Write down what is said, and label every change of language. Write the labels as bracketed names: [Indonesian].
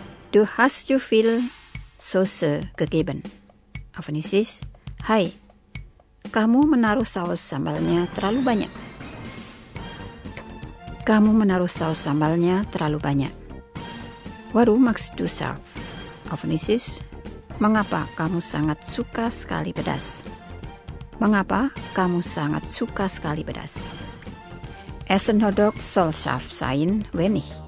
[German] Du hast zu viel Soße gegeben. Auf Indonesisch, hai. [Indonesian] Kamu menaruh saus sambalnya terlalu banyak. Kamu menaruh saus sambalnya terlalu banyak. [German] Warum magst du scharf? Auf Indonesisch, [Indonesian] mengapa kamu sangat suka sekali pedas? Mengapa kamu sangat suka sekali pedas? [German] Essen Hotdogs soll scharf sein, wenn nicht.